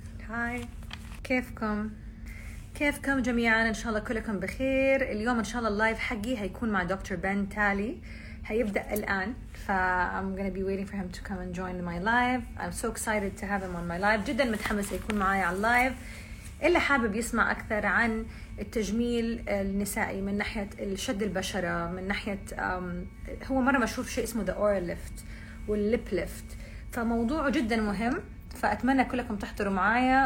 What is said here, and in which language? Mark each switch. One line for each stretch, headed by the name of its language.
Arabic: هاي كيفكم؟ كيفكم جميعا؟ إن شاء الله كلكم بخير. اليوم إن شاء الله اللايف حقي هيكون مع دكتور بن تالي، هيبدأ الآن.
English: فا I'm gonna be waiting for him to come and join my live. I'm so excited to have him on my live.
Arabic: جدا متحمس يكون معايا على اللايف. اللي حابب يسمع أكثر عن التجميل النسائي من ناحية الشد البشرة، من ناحية هو مرة مشهور شيء اسمه
English: the oral lift
Arabic: واللب lift، فموضوعه جدا مهم. فأتمنى كلكم تحضروا معايا.